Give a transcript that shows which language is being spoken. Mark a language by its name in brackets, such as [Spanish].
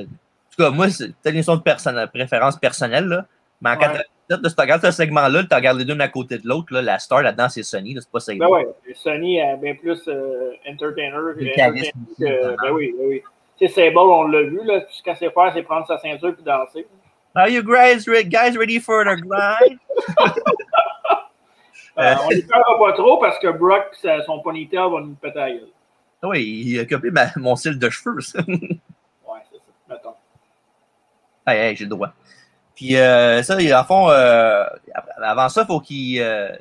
[French] En tout cas, moi, c'est une question de préférence personnelle, là. Mais en 87, si tu regardes ce segment-là, tu regardes les deux d'un à côté de l'autre, là, la star là-dedans, c'est Sonny, là, c'est pas Sable. Ben oui, Sonny est bien plus entertainer. Ben oui. C'est Sable, on l'a vu, là. Tout ce qu'elle sait faire, c'est prendre sa ceinture puis danser. [English] Are you guys ready for the grind? [French] on ne parle pas trop parce que Brock et son ponytail vont nous péter à la gueule. Oui, il a copié mon style de cheveux. Ouais, c'est ça. Mettons. Hey, j'ai le droit. Puis ça, en fond, avant ça, il faut qu'ils.